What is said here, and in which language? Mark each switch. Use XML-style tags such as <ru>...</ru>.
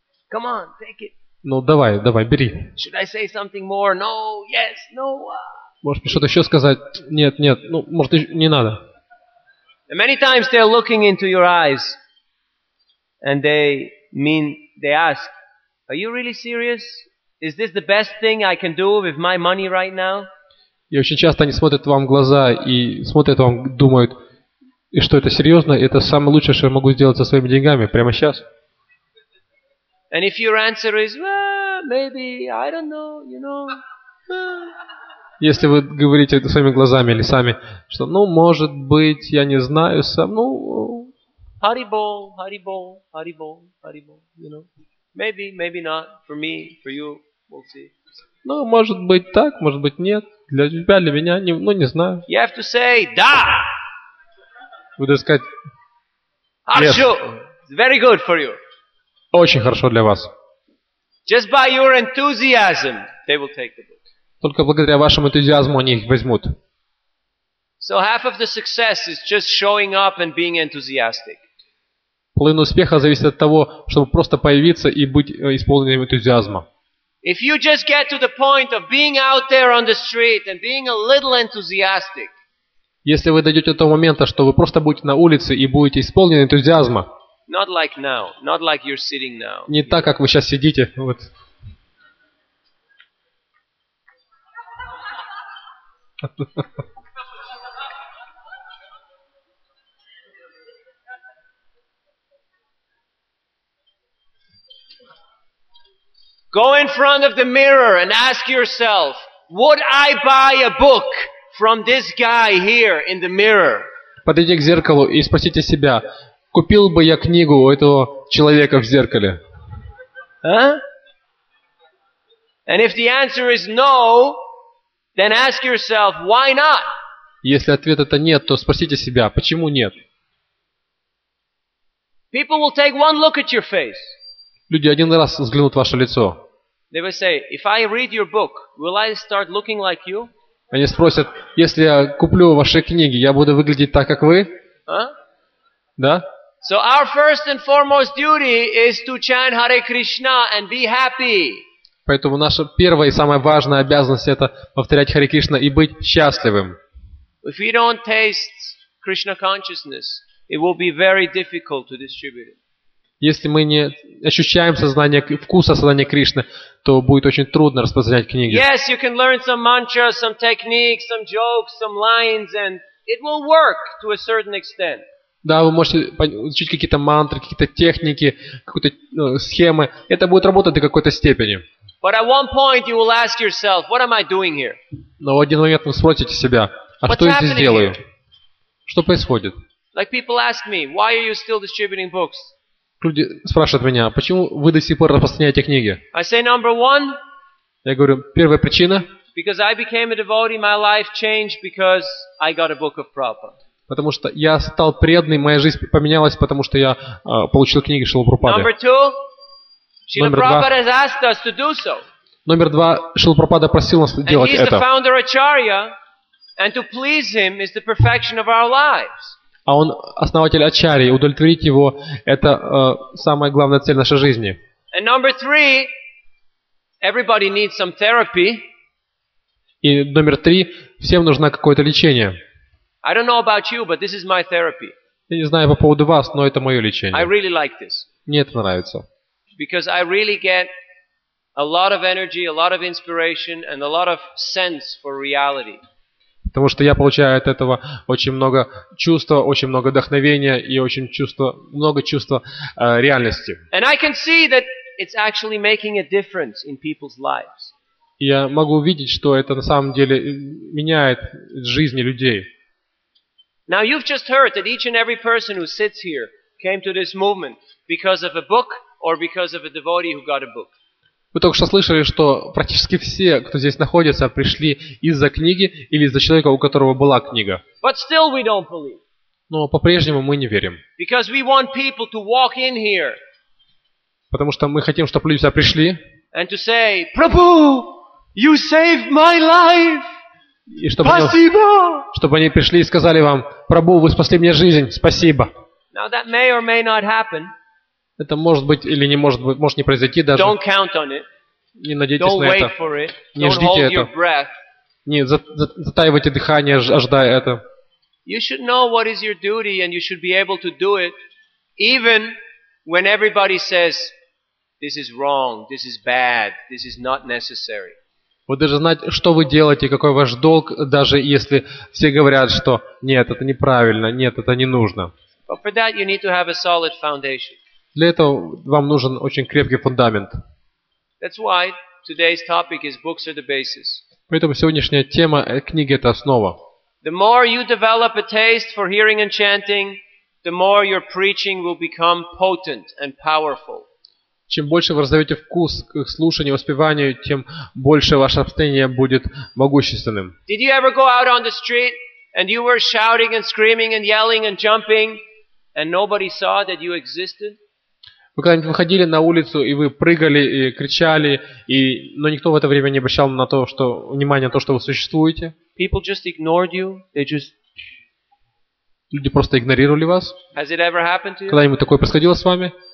<en>Come on, take it.</en> <ru>Ну давай, давай, бери.</ru> <en>Should I say something more? No, yes, no.</en> <ru>Может, мне что-то еще сказать? Нет, нет. Ну, может, не надо.</ru> <en>And many times they're looking into your eyes, and they ask, "Are you really serious?" Is this the best thing I can do with my money right now?</en> <ru>И очень часто они смотрят вам в глаза и смотрят вам, думают, и что это серьезно, это самое лучшее, что я могу сделать со своими деньгами прямо сейчас.</ru> <en>And if your answer is, well, maybe, I don't know, you know.</en> <ru>Если вы говорите это своими глазами или сами, что, ну, может быть, я не знаю сам, ну... Haribol, Haribol, Haribol, Haribol, you know.</ru> <en>Maybe, maybe not, for me, for you, we'll see.</en> <ru>Ну, может быть так, может быть нет. Для тебя, для меня, не, ну, не знаю.</ru> <en>You have to say,</en> <ru>да! Вы должны сказать, нет. Хорошо,</ru> <en>very good for you.</en> <ru>Очень хорошо для вас.</ru> <en>Just by your enthusiasm, they will take the book.</en> <ru>Только благодаря вашему энтузиазму они их возьмут.</ru> <en>So half of the success is just showing up and being enthusiastic.</en> <ru>Половина успеха зависит от того, чтобы просто появиться и быть исполненным энтузиазма.</ru> <en>If you just get to the point of being out there on the street and being a little enthusiastic.</en> <ru>Если вы дойдете до того момента, что вы просто будете на улице и будете исполнены энтузиазма.</ru> <en>Not like now, not like you're sitting now.</en> <ru>Не так, как вы сейчас сидите, вот.</ru> <en>Go in front of the mirror and ask yourself, would I buy a book from this guy here in the mirror?</en> <ru>Подойдите к зеркалу и спросите себя, купил бы я книгу у этого человека в зеркале? Huh?</ru> <en>And if the answer is no, then ask yourself, why not?</en> <ru>Если ответ это нет, то спросите себя, почему нет?</ru> <en>People will take one look at your face.</en> <ru>Люди один раз взглянут в ваше лицо.</ru> <en>They will say, if I read your book, will I start looking like you?</en> <ru>Они спросят, если я куплю ваши книги, я буду выглядеть так, как вы? Да?</ru> <en>So our first and foremost duty is to chant Hare Krishna and be happy.</en> <ru>Поэтому наша первая и самая важная обязанность это повторять Харе Кришна и быть счастливым.</ru> <en>If we don't taste Krishna consciousness, it will be very difficult to distribute it.</en> <ru>Если мы не ощущаем сознание, вкус осознания Кришны, то будет очень трудно распространять книги.</ru> <en>Yes, you can learn some mantras, some techniques, some jokes, some lines, and it will work to a certain extent.</en> <ru>Да, вы можете учить какие-то мантры, какие-то техники, какие-то схемы. Это будет работать до какой-то степени.</ru> <en>But at one point you will ask yourself, what am I doing here?</en> <ru>Но в один момент вы спросите себя, а что я здесь делаю? Что происходит?</ru> <en>Like people ask me, why are you still distributing books?</en> <ru>Люди спрашивают меня, почему вы до сих пор распространяете книги?</ru> <en>I say number one.</en> <ru>Я говорю, первая причина.</ru> <en>Because I became a devotee, my life changed because I got a book of Prabhupada.</en> <ru>Потому что я стал преданным, моя жизнь поменялась, потому что я получил книги Шрилы Прабхупады.</ru> <en>Number two. Шрила Прабхупада has asked us to do so.</en> <ru>Номер два. Шрила Прабхупада просил нас делать это.</ru> <en>And he's the founder Acharya, and to please him is the perfection of our lives.</en> <ru>А он основатель Ачарьи. Удовлетворить его – это самая главная цель нашей жизни.</ru> <en>And number three, everybody needs some therapy.</en> <ru>И номер три – всем нужно какое-то лечение.</ru> <en>I don't know about you, but this is my therapy.</en> <ru>Я не знаю по поводу вас, но это мое лечение.</ru> <en>I really like this.</en> <ru>Мне это нравится.</ru> <en>Because I really get a lot of energy, a lot of inspiration, and a lot of sense for reality.</en> <ru>Потому что я получаю от этого очень много чувства, очень много вдохновения и очень чувство, много чувства реальности.</ru> <en>And I can see that it's actually making a difference in people's lives.</en> <ru>Я могу увидеть, что это на самом деле меняет жизни людей.</ru> <en>Now you've just heard that each and every person who sits here came to this movement because of a book or because of a devotee who got a book.</en> <ru>Вы только что слышали, что практически все, кто здесь находится, пришли из-за книги или из-за человека, у которого была книга.</ru> <en>But still we don't believe.</en> <ru>Но по-прежнему мы не верим.</ru> <en>Because we want people to walk in here.</en> <ru>Потому что мы хотим, чтобы люди сюда пришли.</ru> <en>And to say, Prabhu, you saved my life.</en> <ru>И чтобы спасибо! Чтобы они пришли и сказали вам, Прабху, вы спасли мне жизнь, спасибо.</ru> <en>Now that may or may not happen.</en> <ru>Это может быть или не может быть, может не произойти даже.</ru> <en>Don't count on it.</en> <ru>Не надейтесь</ru> <en>Don't</en> <ru>на</ru> <en>wait</en> <ru>это.</ru> <en>For it.</en> <ru>Не ждите</ru> <en>Don't hold</en> <ru>это.</ru> <en>Your breath.</en> <ru>Не, затаивайте дыхание, ожидая это.</ru> <en>You should know what is your duty and you should be able to do it even when everybody says this is wrong, this is bad, this is not necessary.</en> <ru>Вы должны знать, что вы делаете, какой ваш долг, даже если все говорят, что нет, это неправильно, нет, это не нужно.</ru> <en>But for that you need to have a solid foundation.</en> <ru>Для этого вам нужен очень крепкий фундамент.</ru> <en>That's why today's topic is books are the basis.</en> <ru>Поэтому сегодняшняя тема книги это основа.</ru> <en>The more you develop a taste for hearing and chanting, the more your preaching will become potent and powerful.</en> <ru>Чем больше вы развиваете вкус к слушанию, воспеванию, тем больше ваше обстояние будет могущественным.</ru> <en>Did you ever go out on the street and you were shouting and screaming and yelling and jumping and nobody saw that you existed?</en> <ru>Вы когда-нибудь выходили на улицу и вы прыгали и кричали, и но никто в это время не обращал на то, что внимание на то, что вы существуете?</ru> <en>People just ignored you. They just</en> <ru>люди просто игнорировали вас.</ru> <en>Has it ever happened to you?</en> <ru>Когда-нибудь такое происходило с вами?</ru>